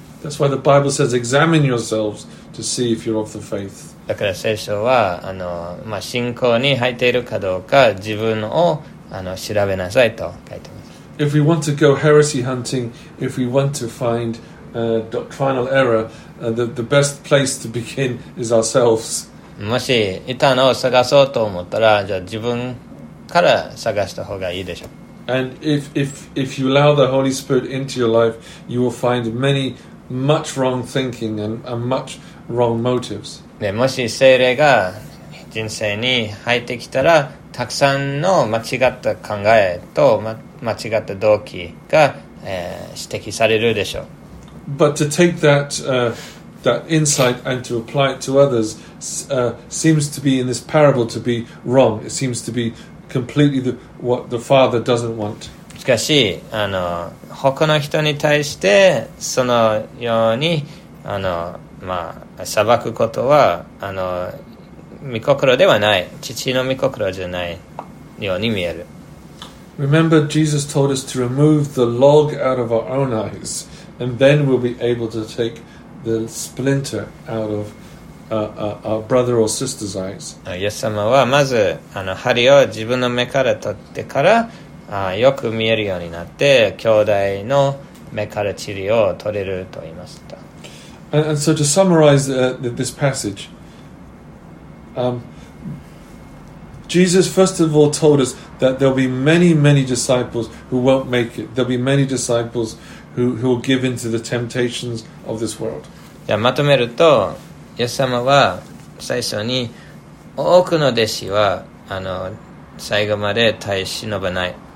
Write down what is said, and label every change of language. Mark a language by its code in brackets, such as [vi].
[en] That's why the Bible says, examine yourselves to see if you're of the faith. [ja] だから聖書は信仰に入っているかどうか自分を調べなさいと書いてます。 [en] If we want to go heresy hunting, if we want to find doctrinal error, the best place to begin is ourselves. [ja] もし異端を探そうと思ったら、じゃあ自分から探した方がいいでしょう。 [en] And if you allow the Holy Spirit into your life, you will find many much wrong thinking and much wrong motives. [ja] でもし聖霊が人生に入ってきたら、たくさんの間違った考えと間違った動機が、指摘されるでしょう。 [en] But to take that, that insight and to apply it to others, seems to be in this parable to be wrong. It seems to be completely what the father doesn't want. [ja] しかし、他の人に対してそのように裁くことは御心ではない、父の御心じゃないように見える。 [en] Remember, Jesus told us to remove the log out of our own eyes, and then we'll be able to take the splinter out of a brother or sister's eyes. [ja] イエス様はまず針を自分の目から取ってからよく見えるようになって兄弟の目から塵を取れると言いました。 [en] And so to summarize this passage, Jesus first of all told us that there'll be many, many disciples who won't make it. There'll be many disciples who will give in to the temptations of this world. [ja] じゃあまとめると、イエス様は最初に多くの弟子は最後まで耐え忍ばない。